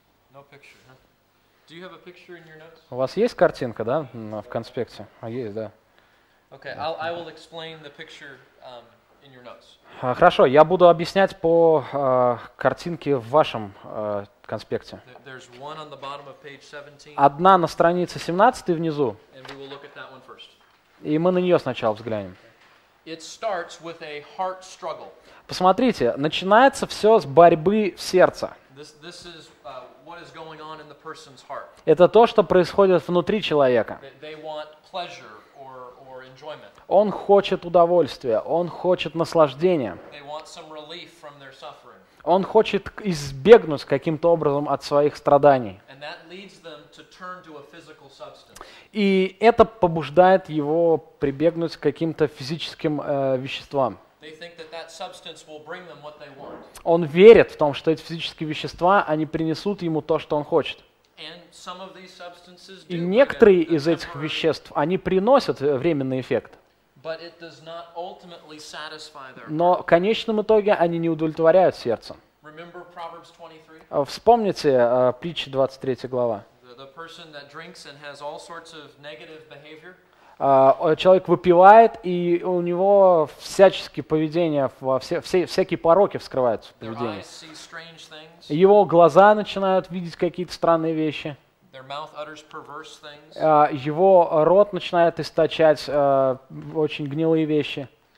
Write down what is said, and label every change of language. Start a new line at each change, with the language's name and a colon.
English: Do you have a picture in your notes?
Russian: У вас есть картинка, да, в конспекте? Есть, да.
English: Okay, I will explain the picture in your notes.
Russian: Хорошо, я буду объяснять по картинке в вашем конспекте.
English: There's one on the bottom of page 17.
Russian: Одна на странице 17 внизу.
English: And we will look at that one first.
Russian: И мы на нее сначала взглянем.
English: It starts with a heart struggle.
Russian: Посмотрите, начинается все с борьбы в сердце.
English: This is what is going on in the person's heart.
Russian: Это то, что происходит внутри человека.
English: They want pleasure or enjoyment.
Russian: Он хочет удовольствия, он хочет наслаждения.
English: They want some relief from their suffering.
Russian: Он хочет избегнуть каким-то образом от своих страданий.
English: And that leads them to turn to a physical substance.
Russian: И это побуждает его прибегнуть к каким-то физическим веществам.
English: They think that that substance will bring them what they want.
Russian: Он верит в том, что эти физические вещества, они принесут ему то, что он хочет.
English: And some of these substances do.
Russian: И некоторые из этих веществ, они приносят временный эффект.
English: But it does not ultimately satisfy their.
Russian: Но в конечном итоге они не удовлетворяют сердце.
English: Remember Proverbs 23?
Russian: Вспомните притчи 23 глава.
English: The person that drinks and has all sorts of negative behavior.
Russian: Человек выпивает, и у него всяческие поведения, всякие пороки вскрываются в поведении. Его глаза начинают видеть какие-то странные вещи. Его рот начинает источать очень гнилые вещи.